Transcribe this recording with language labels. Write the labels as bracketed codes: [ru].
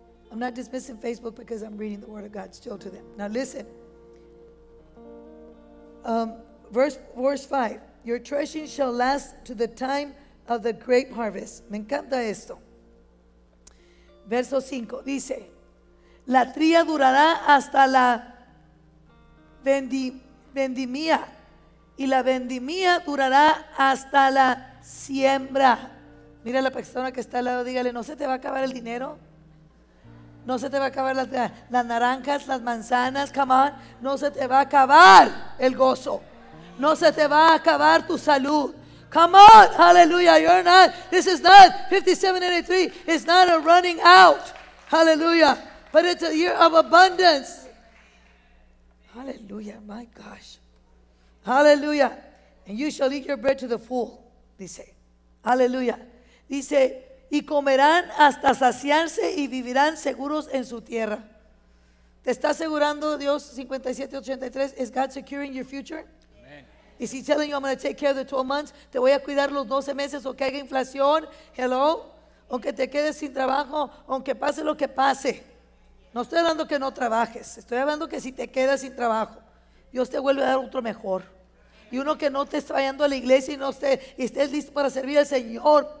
[en] I'm not dismissing Facebook because I'm reading the Word of God still to them. Now listen. Verse 5. Your threshing shall last to the time of the great harvest. [es] Me encanta esto. Verso 5 dice: la trilla durará hasta la vendimia, y la vendimia durará hasta la siembra. Mira a la persona que está al lado, dígale: no se te va a acabar el dinero, no se te va a acabar las naranjas, las manzanas, come on, no se te va a acabar el gozo, no se te va a acabar tu salud. [en] Come on, hallelujah, you're not, this is not 5783, it's not a running out, hallelujah, but it's a year of abundance, hallelujah, my gosh, hallelujah, and you shall eat your bread to the full, dice, hallelujah, dice, [es] y comerán hasta saciarse y vivirán seguros en su tierra. ¿Te está asegurando Dios 5783? [en] Is God securing your future? Is he telling you, I'm going to take care of the 12 months? [es] Te voy a cuidar los 12 meses, o que haya inflación. Hello. Aunque te quedes sin trabajo, aunque pase lo que pase. No estoy hablando que no trabajes. Estoy hablando que si te quedas sin trabajo, Dios te vuelve a dar otro mejor. Y uno que no te esté trayendo a la iglesia y no esté, y estés listo para servir al Señor.